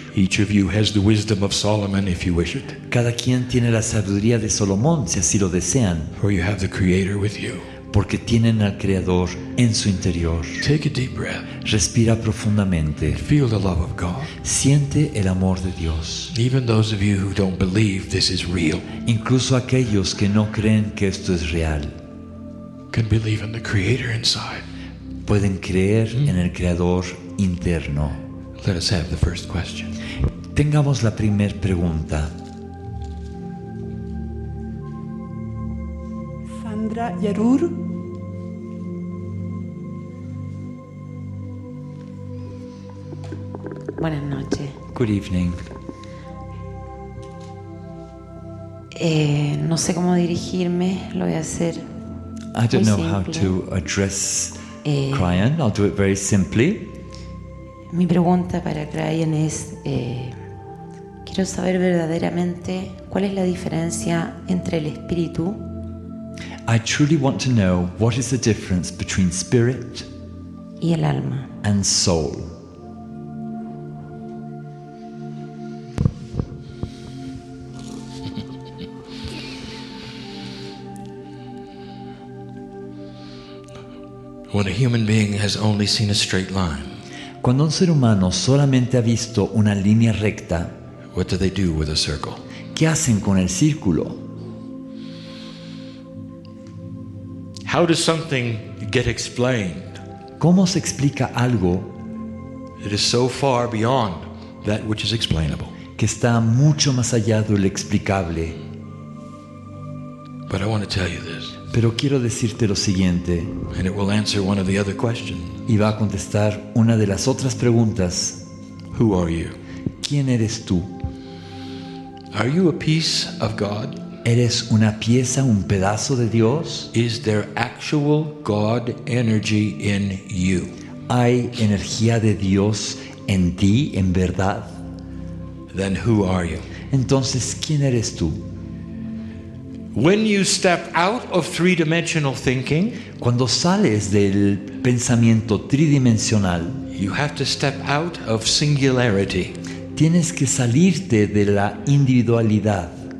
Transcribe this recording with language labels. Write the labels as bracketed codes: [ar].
[en] Each of you has the wisdom of Solomon if you wish it. [es] Cada quien tiene la sabiduría de Salomón si así lo desean. [en] For you have the Creator with you. [es] Porque tienen al Creador en su interior. [en] Take a deep breath. [es] Respira profundamente. [en] Feel the love of God. [es] Siente el amor de Dios. [en] Even those of you who don't believe this is real. [es] Incluso aquellos que no creen que esto es real. [en] Can believe in the Creator inside. [es] Pueden creer en el Creador interno. [en] Let us have the first question. [es] Tengamos la primera pregunta. Sandra Yarur. Buenas noches. [en] Good evening. [es] No sé cómo dirigirme, lo voy a hacer. [en] I don't know how to address Kryon, I'll do it very simply. [es] Mi pregunta para Kryon es, quiero saber verdaderamente cuál es la diferencia entre el espíritu. [en] I truly want to know what is the difference between spirit [es] y el alma [en] and soul. When a human being has only seen a straight line, [es] cuando un ser humano solamente ha visto una línea recta, [en] what do they do with a circle? [es] ¿Qué hacen con el círculo? [en] How does something get explained? [es] ¿Cómo se explica algo? [en] It is so far beyond that which is explainable. [es] Que está mucho más allá de lo explicable. [en] But I want to tell you this. [es] Pero quiero decirte lo siguiente. [en] And it will answer one of the other questions. [es] Y va a contestar una de las otras preguntas. [en] Who are you? [es] ¿Quién eres tú? [en] Are you a piece of God? [es] ¿Eres una pieza, un pedazo de Dios? [en] Is there actual God energy in you? [es] ¿Hay energía de Dios en ti, en verdad? [en] Then who are you? [es] Entonces, ¿quién eres tú? [en] When you step out of three-dimensional thinking, [es] cuando sales del pensamiento tridimensional, [en] you have to step out of singularity. [es] Tienes que salirte de la individualidad.